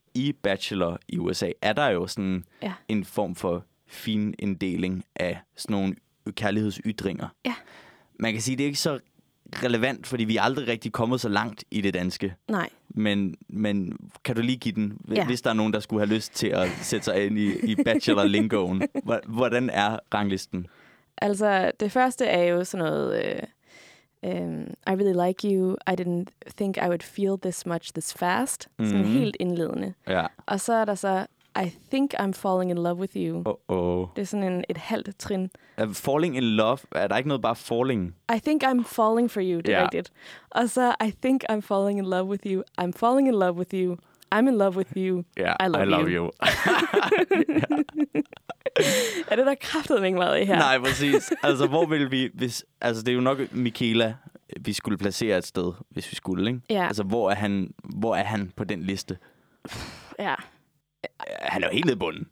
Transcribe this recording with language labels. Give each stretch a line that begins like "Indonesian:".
Danish: I Bachelor i USA er der jo sådan en form for fin inddeling af sådan nogle kærlighedsytringer. Ja. Man kan sige, at det er ikke så relevant, fordi vi er aldrig rigtig kommet så langt i det danske. Nej. Men kan du lige give den, hvis der er nogen, der skulle have lyst til at sætte sig ind i Bachelor-lingoen? Hvordan er ranglisten? Altså, det første er jo sådan noget,
English: I really like you, I didn't think I would feel this much this fast.
Danish: Mm-hmm. Sådan helt indledende. Ja. Og så er der så,
English: I think I'm falling in love with you. Uh-oh.
Danish: Det er sådan en, et halvt trin.
English: Falling in love,
Danish: er der ikke noget bare falling?
English: I think I'm falling for you,
Danish: det er rigtigt.
English: Og så, I think I'm falling in love with you, I'm falling in love with you. I'm in love with you. Yeah, I love you.
Danish: Er det der kraftedeme ikke meget i her? Nej, præcis. Altså, hvor ville vi... Hvis, altså, det er jo nok Michaela, vi skulle placere et sted, hvis vi skulle, ikke? Ja. Altså, hvor er han på den liste? Ja. Han er jo helt nede i bunden.